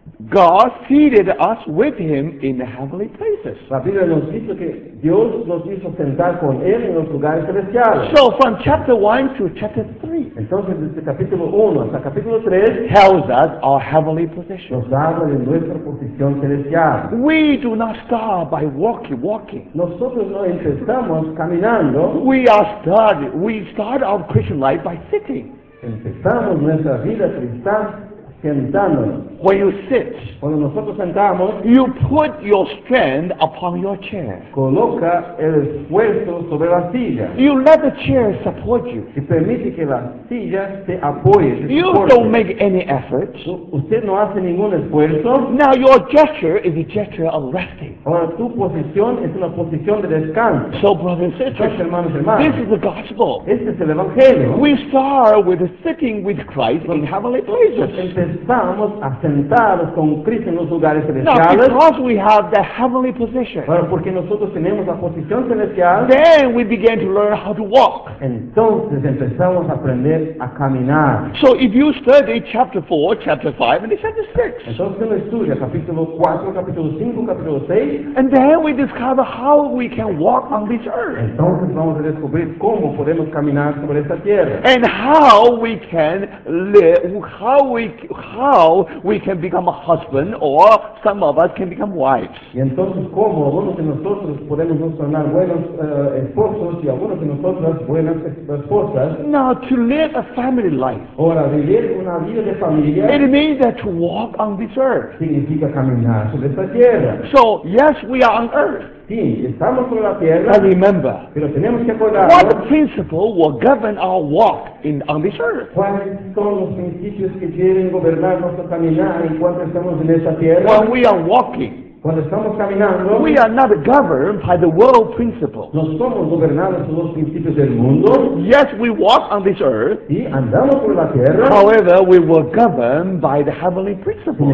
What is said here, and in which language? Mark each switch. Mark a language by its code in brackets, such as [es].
[en] God seated us with him in the heavenly places. [es] La Biblia nos dice que Dios nos hizo sentar con él en los lugares celestiales. [en] So from chapter 1 to chapter 3. [es] Entonces desde capítulo 1 hasta capítulo 3 [en] tells us our heavenly position. [es] Nos habla de nuestra posición celestial. [en] We do not start by walking. [es] Nosotros no empezamos caminando. [en] We start our Christian life by sitting. [es] Empezamos nuestra vida cristiana. [en] When you sit, [es] cuando nosotros sentamos, [en] you put your strength upon your chair. [es] Coloca el esfuerzo sobre la silla. [en] You let the chair support you. [es] Y permite que la silla te apoye, te [en] you [es] soporte. [en] Don't make any effort. [es] Usted no hace ningún esfuerzo. [en] Now your gesture is a gesture of resting. [es] Ahora tu posición es una posición de descanso. [en] So brothers and sisters, [es] hermanos y hermanas, [en] this is the gospel. [es] Este es el evangelio. [en] We start with sitting with Christ in heavenly places. [es] Empezamos a sentarnos con Cristo en los lugares celestiales. [en] Now, because we have the heavenly position. [es] Bueno, porque nosotros tenemos la posición celestial. [en] Then we begin to learn how to walk. [es] Entonces empezamos a aprender a caminar. [en] So if you study chapter 4, chapter 5, and chapter 6. [es] Entonces uno estudia capítulo 4, capítulo 5, capítulo 6. [en] And then we discover how we can walk on this earth. [es] Entonces vamos a descubrir cómo podemos caminar sobre esta tierra. [en] And how we can live, how we can become a husband, or some of us can become wives. [es] Y entonces, ¿cómo algunos de nosotros podemos nos tornar buenos esposos y algunos de nosotros buenas esposas? [en] Now, to live a family life. [es] Ahora, vivir una vida de familia. [en] It means that to walk on this earth. [es] Significa caminar sobre esta tierra. [en] So, yes, we are on earth. [es] Sí, estamos sobre la tierra. [en] But remember, [es] pero tenemos que acordar, [en] what principle will govern our walk on this earth? [es] ¿Cuáles son los principios que quieren gobernar nuestro caminar en cuanto estamos en esta tierra? [en] When we are walking, [es] cuando estamos caminando, [en] we are not governed by the world principle. [es] No somos gobernados por los principios del mundo. [en] Yes, we walk on this earth. [es] Sí, andamos por la tierra. [en] However, we were governed by the heavenly principles.